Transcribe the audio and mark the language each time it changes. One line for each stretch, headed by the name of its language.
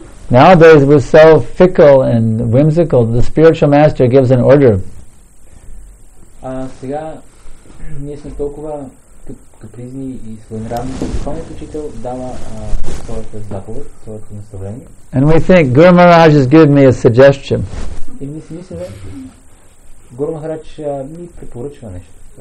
English: Nowadays we're so fickle and whimsical, the spiritual master gives an order.
Bulgarian: Сега ние сме толкова капризни и своенравни, духовният учител дава своята заповед, своето наставление.
English: And we think Guru Maharaj has given me a suggestion.
Bulgarian: И ние си мислиме, Гуру Махарадж ми препоръчва нещо.